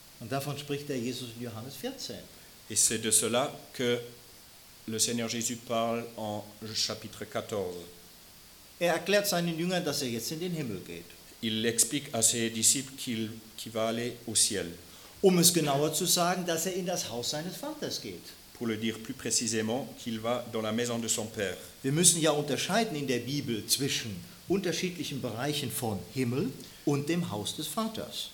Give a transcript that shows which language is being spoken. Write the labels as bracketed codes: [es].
[de] Und davon spricht der Jesus in Johannes 14. [fr] Et c'est de cela que le Seigneur Jésus parle en chapitre 14. [de] Er erklärt seinen Jüngern, dass er jetzt in den Himmel geht. [fr] Il explique à ses disciples qu'il va aller au ciel. [de] Um es genauer zu sagen, dass er in das Haus seines Vaters geht. [fr] Pour le dire plus précisément, qu'il va dans la maison de son Père. [de] Wir müssen ja unterscheiden in der Bibel zwischen unterschiedlichen Bereichen von Himmel und dem Haus des Vaters.